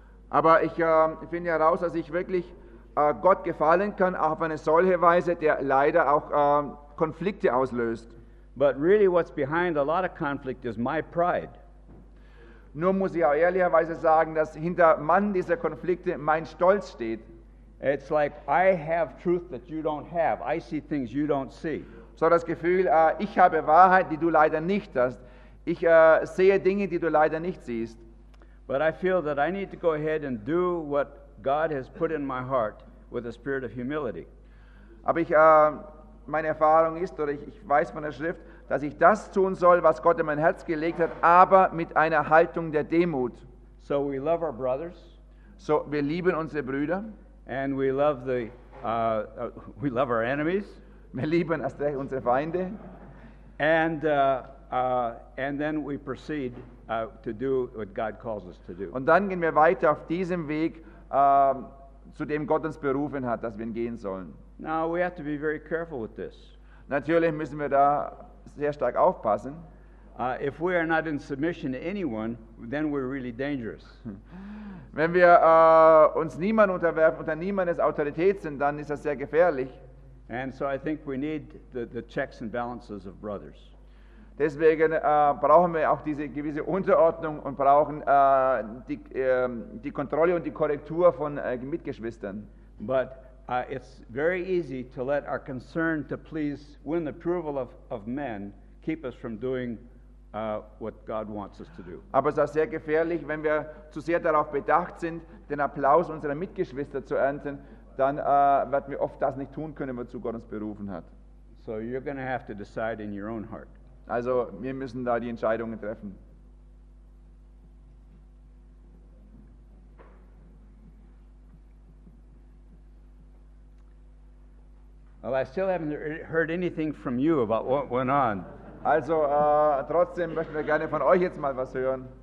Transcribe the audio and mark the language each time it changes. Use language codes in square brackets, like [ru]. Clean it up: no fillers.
[de] Aber ich finde heraus, dass ich wirklich Gott gefallen kann, auch auf eine solche Weise, der leider auch Konflikte auslöst. [en] But really what's behind a lot of conflict is my pride. [de] Nur muss ich auch ehrlicherweise sagen, dass hinter Mann dieser Konflikte mein Stolz steht. [en] It's like I have truth that you don't have. I see things you don't see. [de] So das Gefühl, ich habe Wahrheit, die du leider nicht hast. Ich sehe Dinge, die du leider nicht siehst. [en] But I feel that I need to go ahead and do what God has put in my heart with a spirit of humility. [de] Aber ich, meine Erfahrung ist, oder ich weiß von der Schrift, dass ich das tun soll, was Gott in mein Herz gelegt hat, aber mit einer Haltung der Demut. [en] So we love our brothers. [de] So wir lieben unsere Brüder. [en] And we love the we love our enemies. [de] Wir lieben unsere Feinde. [en] And then we proceed to do what God calls us to do. [de] Und dann gehen wir weiter auf diesem Weg, zu dem Gott uns berufen hat, dass wir ihn gehen sollen. [en] Now we have to be very careful with this. [de] Natürlich müssen wir da sehr stark aufpassen. [en] If we are not in submission to anyone, then we're really dangerous. [de] Wenn wir uns niemand unterwerfen, unter niemandes Autorität sind, dann ist das sehr gefährlich. [en] And so I think we need the checks and balances of brothers. [de] Deswegen brauchen wir auch diese gewisse Unterordnung und brauchen die Kontrolle und die Korrektur von Mitgeschwistern. [en] But it's very easy to let our concern to please win the approval of men keep us from doing what God wants us to do. [de] Aber es ist sehr gefährlich, wenn wir zu sehr darauf bedacht sind, den Applaus unserer Mitgeschwister zu ernten, dann werden wir oft das nicht tun können, wozu Gott uns berufen hat. [en] So you're going to have to decide in your own heart. [de] Also, wir müssen da die Entscheidungen treffen. [en] Well, I still haven't heard anything from you about what went on. [de] Also, trotzdem möchten wir gerne von euch jetzt mal was hören.